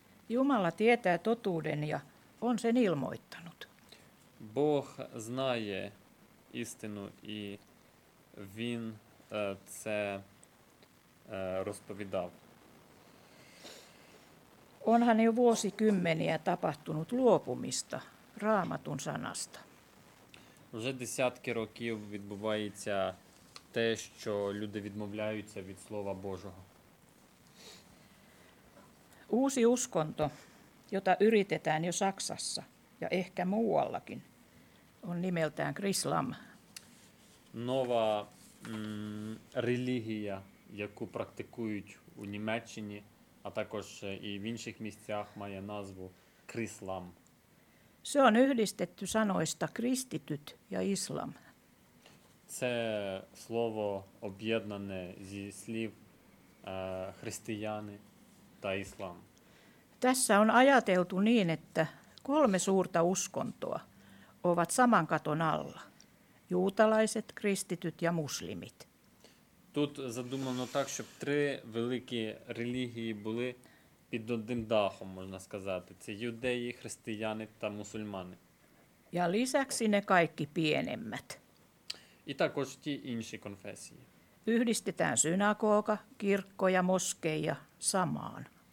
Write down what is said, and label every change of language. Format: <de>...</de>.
<fi>Jumala tietää totuuden ja on sen ilmoittanut.</fi> <uk>Бог знає істину, і він це розповідав.</uk> <fi>Onhan jo vuosikymmeniä tapahtunut luopumista Raamatun sanasta.</fi> <uk>Вже десятки років відбувається те, що люди відмовляються від слова Божого.</uk> <fi>Uusi uskonto, jota yritetään jo Saksassa ja ehkä muuallakin, on nimeltään Krislam.</fi> <uk>Нова релігія, яку практикують у Німеччині, а також і в інших місцях, має назву Крислам.</uk> <fi>Se on yhdistetty sanoista kristityt ja islam.</fi> <uk>Це слово об'єднане зі слів християни та іслам.</uk> <fi>Tässä on ajateltu niin, että kolme suurta uskontoa ovat saman katon alla. Juutalaiset, kristityt ja muslimit.</fi> <uk>Тут задумано так, щоб три великі релігії були під одним дахом, можна сказати. Це юдеї, християни та мусульмани.</uk> <fi>Ja lisäksi ne kaikki pienemmät.</fi> <uk>І також ті інші конфесії.</uk> <fi>Yhdistetään synagoga, kirkko ja moskeja samaan.</fi>